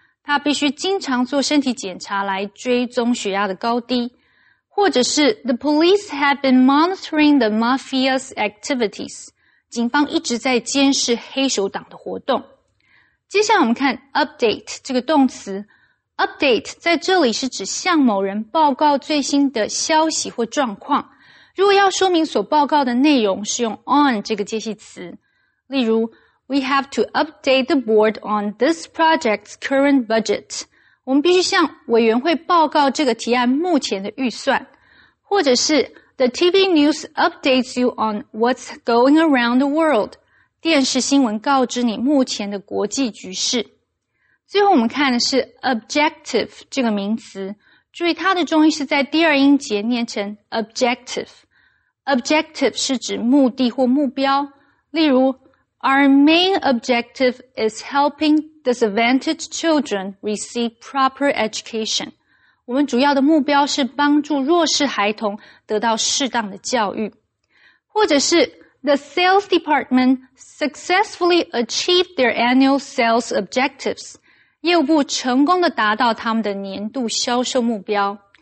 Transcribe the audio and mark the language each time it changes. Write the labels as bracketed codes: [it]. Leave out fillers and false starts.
[zh] 他必须经常做身体检查来追踪血压的高低。 [en] 或者是 ,the police have been monitoring the mafia's activities. [zh] 警方一直在监视黑手党的活动。接下来我们看 update 这个动词。 update 在这里是指向某人报告最新的消息或状况。如果要说明所报告的内容是用 on 这个介系词。 [en] 例如 ,we have to update the board on this project's current budget. [zh] 我们必须向委员会报告这个提案目前的预算。 [en] 或者是The TV news updates you on what's going around the world. [zh] 电视新闻告知你目前的国际局势。最后我们看的是 objective 这个名词。注意它的重音是在第二音节念成 objective。 [en] objective [zh] 是指目的或目标。例如 [en] ,our main objective is helping disadvantaged children receive proper education. [zh] 我们主要的目标是帮助弱势孩童得到适当的教育。 [en] 或者是 ,the sales department successfully achieved their annual sales objectives. [zh] 业务部成功地达到他们的年度销售目标。